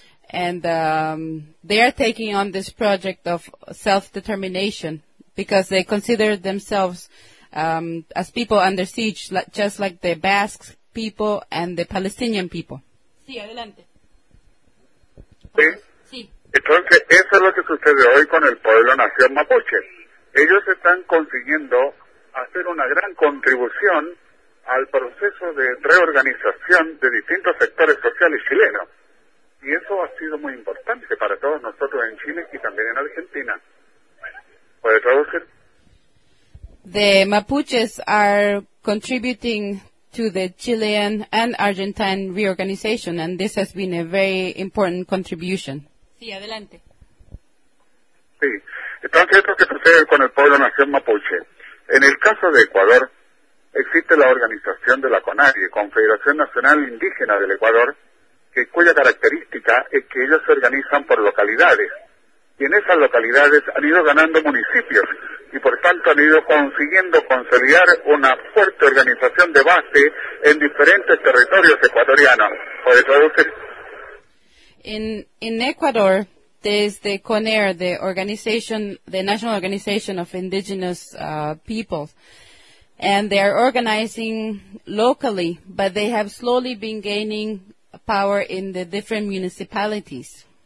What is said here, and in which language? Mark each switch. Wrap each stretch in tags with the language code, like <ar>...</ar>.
<en>And they are taking on this project of self-determination because they consider themselves as people under siege, just like the Basque people and the Palestinian people.</en> <es>Sí, adelante. ¿Sí? Sí. Entonces, eso es lo que sucede hoy con el pueblo nación mapuche. Ellos están consiguiendo hacer una gran contribución al proceso de reorganización de distintos sectores sociales chilenos. Y eso ha sido muy importante para todos nosotros en Chile y también en Argentina. traducen?</es> <en>The Mapuches are contributing to the Chilean and Argentine reorganization, and this has been a very important contribution.</en> <es>Sí, adelante. Sí. Entonces, esto que sucede con el pueblo nación Mapuche. En el caso de Ecuador, existe la organización de la CONADI, Confederación Nacional Indígena del Ecuador, que, cuya característica es que ellos se organizan por localidades, y en esas localidades han ido ganando municipios, y por tanto han ido consiguiendo consolidar una fuerte organización de base en diferentes territorios ecuatorianos. ¿Puede traducir?</es> <en>In Ecuador, there's the CONER, the organization, the National Organization of Indigenous Peoples, and they are organizing locally, but they have slowly been gaining power in the different municipalities.</en>